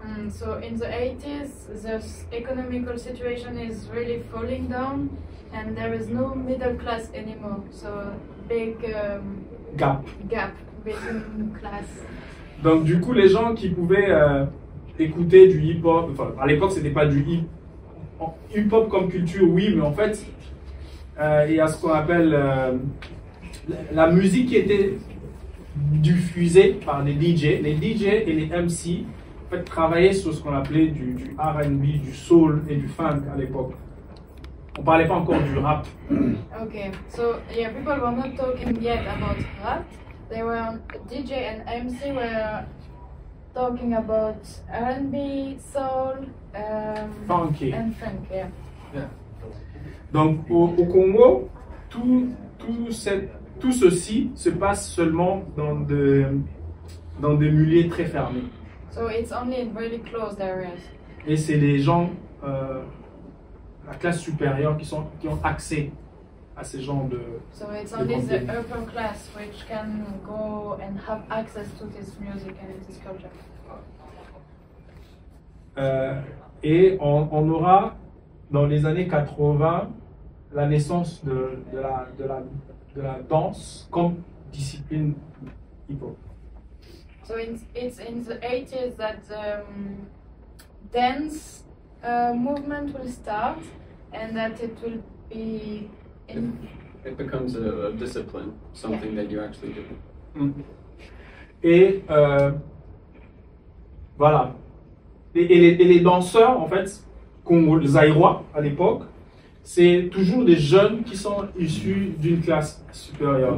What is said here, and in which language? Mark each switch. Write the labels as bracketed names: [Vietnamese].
[English] So, in the 80s, the economical situation is really falling down and there is no middle class anymore. So, big gap between class. [French] Donc du coup, les gens qui pouvaient écouter du hip-hop, enfin à l'époque c'était pas du hip-hop comme culture, oui, mais en fait, il y a ce qu'on appelle la musique qui était diffusée par les DJ. Les DJ et les MC en fait, travaillaient sur ce qu'on appelait du R&B, du soul et du funk à l'époque. On parlait pas encore du rap. [English] Ok, so yeah, people were not talking yet about rap. They were DJ and MC were talking about R&B, soul, funky. And funk, yeah. Yeah. [French] Donc au Congo, tout ceci se passe seulement dans des milieux très fermés. [English] So it's only in really closed areas. [French] Et c'est les gens la classe supérieure qui ont accès à ces gens de... [English] So it's only the upper class which can go and have access to this music and this culture. [French] Et on aura dans les années 80 la naissance de la danse comme discipline hip-hop. [English] So it's in the 80s that dance movement will start and that it will be... It becomes a discipline, something that you actually do. [French] Et voilà. Et les danseurs, en fait, les Aïrois à l'époque, c'est toujours des jeunes qui sont issus d'une classe supérieure.